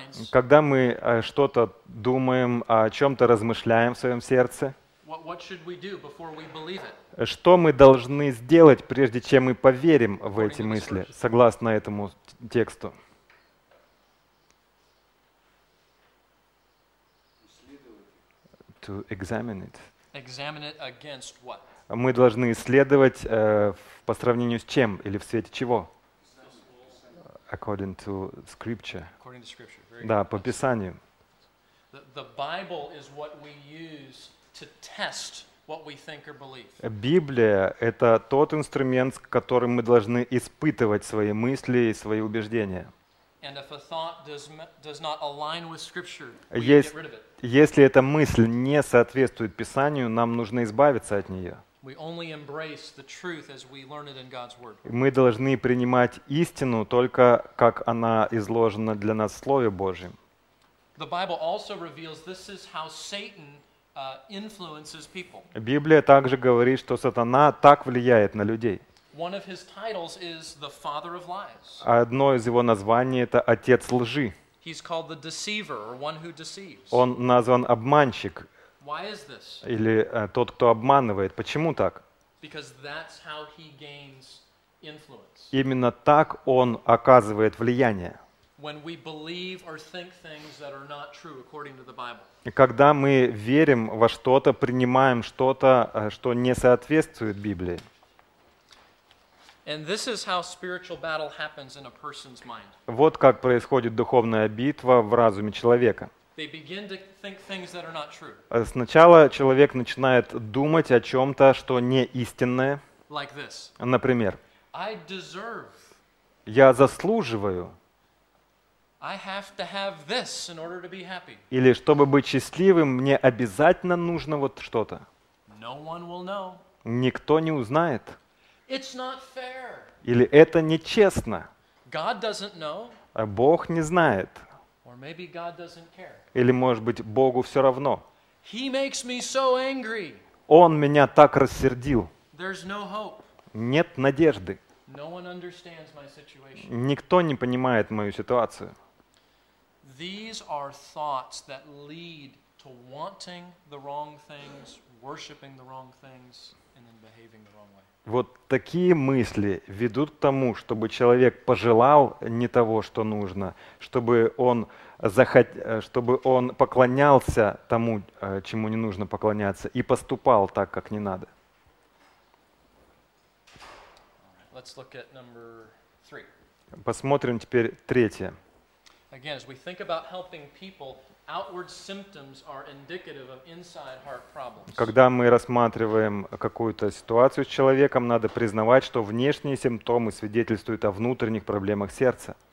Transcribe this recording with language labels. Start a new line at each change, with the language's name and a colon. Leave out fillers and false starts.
Russian: Когда мы что-то думаем, о чем-то размышляем в своем сердце,
English: what should we do before we believe it?
Russian: Что мы должны сделать, прежде чем мы поверим в эти мысли, согласно этому тексту? Исследуйте
English: to examine it. Examine it against what?
Russian: Мы должны исследовать по сравнению с чем или в свете чего?
English: According to scripture. According to scripture.
Russian: Да, по Писанию.
English: The Bible is what we use to test what we think or believe.
Russian: Библия — это тот инструмент, с которым мы должны испытывать свои мысли и свои убеждения.
English: And if a thought does not align with scripture, we get rid of it.
Russian: Если эта мысль не соответствует Писанию, нам нужно избавиться от нее.
English: We only embrace the truth as we learn it in God's word.
Russian: Мы должны принимать истину только как она изложена для нас в Слове Божьем.
English: The Bible also reveals this is how Satan influences people.
Russian: Библия также говорит, что сатана так влияет на людей.
English: One of his titles is the father of lies.
Russian: Одно из его названий — это отец лжи.
English: He's called the deceiver or one who deceives.
Russian: Он назван обманщик.
English: Why is this?
Russian: Или тот, кто обманывает. Почему так?
English: Because that's how he gains influence.
Russian: Именно так он оказывает влияние.
English: When we believe or think things that are not true according to the Bible.
Russian: Когда мы верим во что-то, принимаем что-то, что не соответствует Библии.
English: And this is how spiritual battle happens in a person's mind.
Russian: Вот как происходит духовная битва в разуме человека.
English: They begin to think things that are not true.
Russian: Сначала человек начинает думать о чем-то, что не истинное.
English: Like this.
Russian: Например,
English: I deserve.
Russian: Я заслуживаю.
English: I have to have this in order to be happy.
Russian: Или чтобы быть счастливым, мне обязательно нужно вот что-то.
English: No one will know.
Russian: Никто не узнает.
English: It's not fair.
Russian: Или это нечестно.
English: God doesn't know.
Russian: А Бог не знает.
English: Or maybe God doesn't care.
Russian: Или, может быть, Богу все равно.
English: He makes me so angry.
Russian: Он меня так рассердил.
English: There's no hope.
Russian: Нет надежды.
English: No one understands my situation.
Russian: Никто не понимает мою ситуацию.
English: These are thoughts that lead to wanting the wrong things, worshiping the wrong things, and then behaving the wrong way.
Russian: Вот такие мысли ведут к тому, чтобы человек пожелал не того, что нужно, чтобы он поклонялся тому, чему не нужно поклоняться, и поступал так, как не надо.
English: Let's look at number three.
Russian: Посмотрим теперь третье.
English: Again, as we think about helping people, outward symptoms are indicative of inside heart problems.
Russian: Когда мы рассматриваем какую-то ситуацию с человеком, надо признавать, что внешние симптомы свидетельствуют о внутренних проблемах сердца.